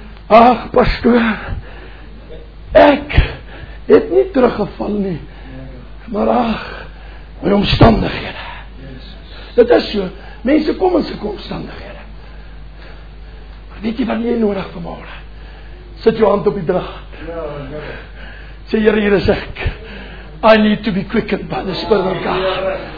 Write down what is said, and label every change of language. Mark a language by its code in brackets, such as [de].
[af] Ach, pastoor, ek het nie teruggeval nie, maar ach, my omstandighede. Dit is so, mense kom in sulke omstandighede. Maar weet jy wat jy nodig vanmorgen? Sit jou hand op die draad. Sê, Here, hier is ek. [en] I need to be quickened by the Spirit of God.